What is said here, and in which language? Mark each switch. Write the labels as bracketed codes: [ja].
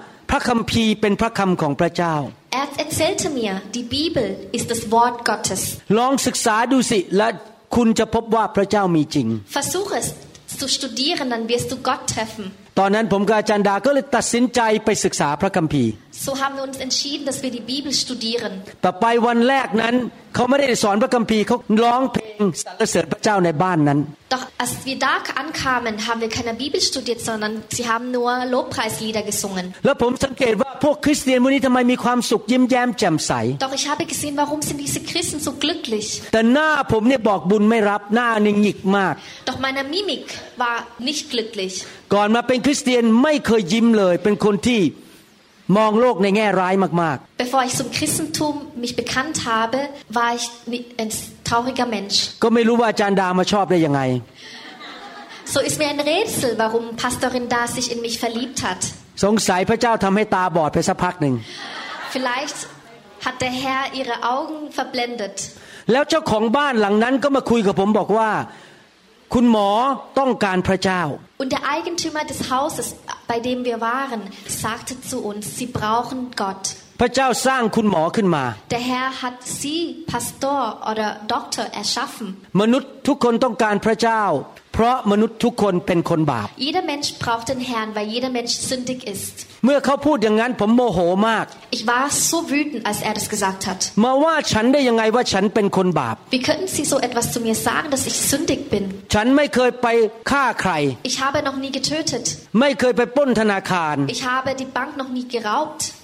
[de] Er erzählte mir, die Bibel ist das Wort Gottes. Versuche es zu studieren, dann wirst du Gott treffen. [th] ตอนนั้นผมกับอาจารย์ดาก็เลยตัดสินใจไปศึกษาพระคัมภีร์ [de] So haben wir uns entschieden, dass wir die Bibel studieren. [th] ต่อไปวันแรกนั้นเขาไม่ได้สอนพระคัมภีร์เขาร้องเพลงสรรเสริญพระเจ้าในบ้านนั้น [de] Doch als wir da ankamen, haben wir keine Bibel studiert, sondern sie haben nur Lobpreislieder gesungen. [th] แล้วผมสังเกตว่าพวกคริสเตียนพวกนี้ทำไมมีความสุขยิ้มแย้มแจ่มใส [de] Doch ich habe gesehen, warum sind diese Christen so glücklich? [th] แต่หน้าผมเนี่ยบอกบุญไม่รับหน้าหนึ่งหงิกมาก [de] Doch meine Mimik war nicht glücklich. [th] ก่อนมาเป็นคริสเตียนไม่เคยยิ้มเลยเป็นคนที่มองโลกในแง่ร้ายมาก [de] ๆ Bevor ich zum Christentum mich bekannt habe, war ich ein trauriger Mensch. [th] ก็ไม่รู้ว่าอาจารย์ดามาชอบได้ยังไง [de] So ist mir ein Rätsel, warum Pastorin Da sich in mich verliebt hat. [th] สงสัยพระเจ้าทำให้ตาบอดไปสักพักหนึ่ง [de] Vielleicht hat der Herr ihre Augen verblendet. [th] แล้วเจ้าของบ้านหลังนั้นก็มาคุยกับผมบอกว่าคุณหมอต้องการพระเจ้า [de] Und der Eigentümer des Hauses, bei dem wir waren, sagte zu uns, Sie brauchen Gott. [th] พระเจ้าสร้างคุณหมอขึ้นมา [de] Der Herr hat Sie, Pastor oder Doktor, erschaffen. [th] มนุษย์ทุกคนต้องการพระเจ้าเพราะมนุษย์ทุกคนเป็นคนบาป [de] Jeder Mensch braucht den Herrn, weil jeder Mensch sündig ist. [th] เมื่อเขาพูดอย่างนั้นผมโมโหมาก [de] Ich war so wütend, als er das gesagt hat. [th] มาว่าฉันได้ยังไงว่าฉันเป็นคนบาป [de] Wie können Sie so etwas zu mir sagen, dass ich sündig bin? [th] ฉันไม่เคยไปฆ่าใคร [de] Ich habe noch nie getötet. [th] ไม่เคยไปปล้นธนาคาร [de] Ich habe die Bank noch nie geraubt.